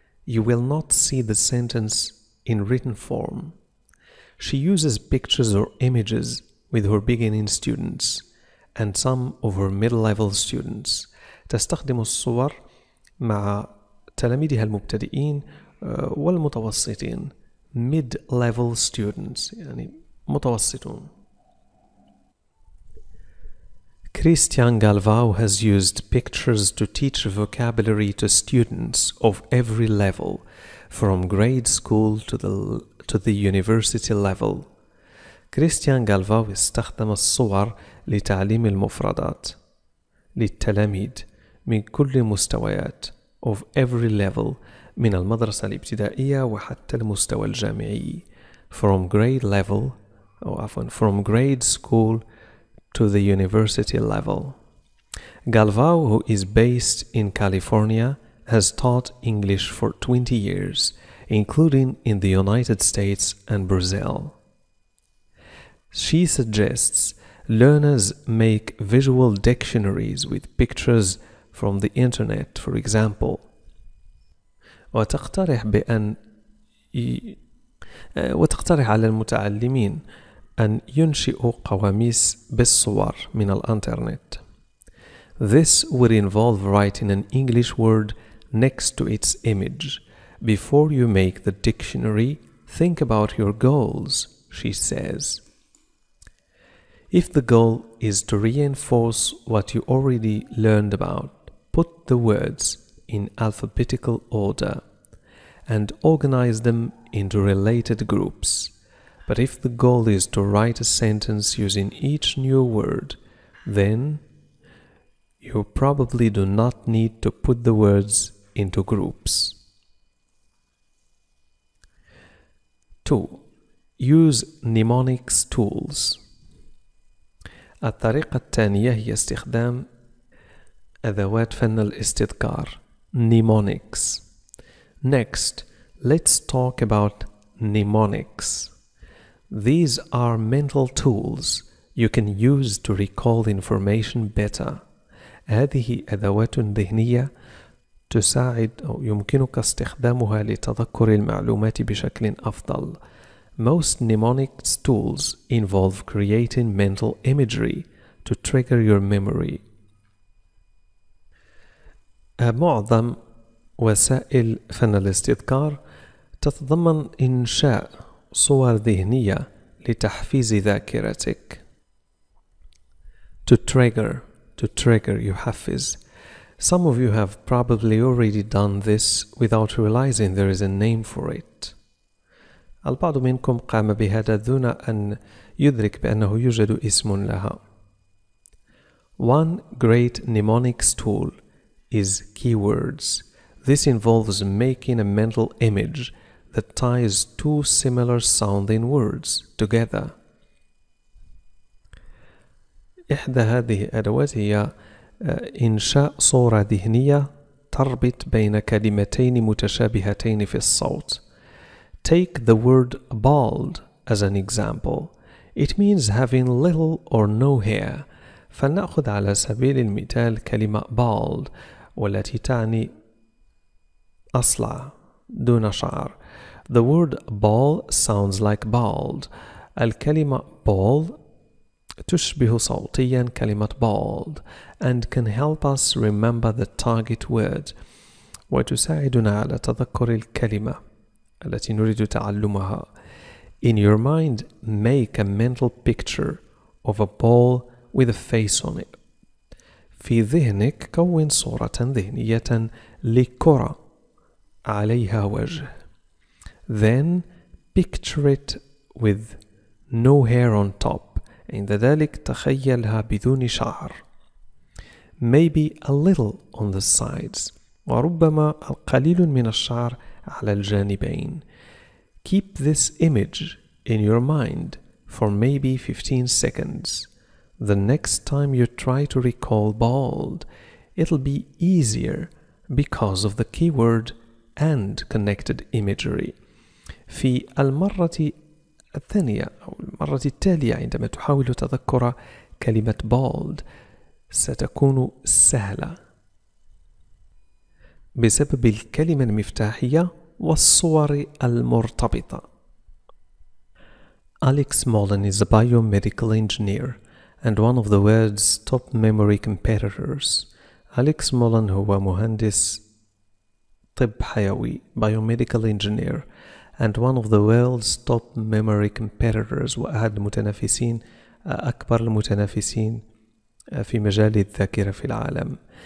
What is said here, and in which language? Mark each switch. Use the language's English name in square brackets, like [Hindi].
[English] You will not see the sentence in written form. She uses pictures or images with her beginning students and some of her middle-level students. [Arabic] تستخدم الصور مع تلاميذها المبتدئين والمتوسطين. [English] Mid-level students, [Arabic] يعني متوسطون. [English] Christian Galvao has used pictures to teach vocabulary to students of every level, from grade school to the university level. [Arabic] Christian Galvao استخدم الصور لتعليم المفردات للتلاميذ من كل مستويات, [English] of every level, [Arabic] من المدرسة الابتدائية وحتى المستوى الجامعي, [English] from grade level, [Arabic] أو عفوا, [English] from grade school to the university level. Galvao, who is based in California, has taught English for 20 years, including in the United States and Brazil. She suggests learners make visual dictionaries with pictures from the internet, for example. [Arabic] وتقترح بأن وتقترح على المتعلمين أن ينشئوا قواميس بالصور من الانترنت. [English] This would involve writing an English word next to its image. Before you make the dictionary, think about your goals, she says. If the goal is to reinforce what you already learned about, put the words in alphabetical order and organize them into related groups. But if the goal is to write a sentence using each new word, then you probably do not need to put the words into groups. 2. Use mnemonics tools. [Arabic] الطريقة الثانية هي استخدام أدوات فن الاستذكار, mnemonics. [English] Next, let's talk about mnemonics. These are mental tools you can use to recall information better. [Arabic] هذه أدوات ذهنية تساعد أو يمكنك استخدامها لتذكر المعلومات بشكل أفضل. [English] Most mnemonics tools involve creating mental imagery to trigger your memory. [Arabic] معظم وسائل فن الاستذكار تتضمن إنشاء صور ذهنية لتحفيز ذاكرتك. [English] To trigger, [Arabic] يحفز. [English] Some of you have probably already done this without realizing there is a name for it. [Arabic] البعض منكم قام بهذا دون أن يدرك بأنه يوجد اسم لها. [English] One great mnemonics tool is keywords. This involves making a mental image that ties two similar sounding words together. [Arabic] إحدى هذه الأدوات هي إنشاء صورة ذهنية تربط بين كلمتين متشابهتين في الصوت. [English] Take the word bald as an example. It means having little or no hair. [Arabic] فلنأخذ على سبيل المثال كلمة bald والتي تعني أصلع دون شعر. [English] The word ball sounds like bald. [Arabic] الكلمة ball تشبه صوتيا كلمة bald [English] and can help us remember the target word [Arabic] وتساعدنا على تذكر الكلمة التي نريد تعلمها. [English] In your mind, make a mental picture of a ball with a face on it. [Arabic] في ذهنك كون صورة ذهنية لكرة عليها وجه. [English] Then picture it with no hair on top. [Arabic] عند ذلك تخيلها بدون شعر. [English] Maybe a little on the sides. [Arabic] وربما القليل من الشعر على الجانبين. [English] Keep this image in your mind for maybe 15 seconds. The next time you try to recall bald, it'll be easier because of the keyword and connected imagery. [Arabic] في المرة الثانية أو المرة التالية عندما تحاول تذكر كلمة bald ستكون سهلة بسبب الكلمة المفتاحية والصور المرتبطة. [English] Alex Mullen is a biomedical engineer and one of the world's top memory competitors. [Arabic] أليكس مولن هو مهندس طب حيوي [English] biomedical engineer and one of the world's top memory competitors [Arabic] وأحد المتنافسين أكبر المتنافسين في مجال الذاكرة في العالم.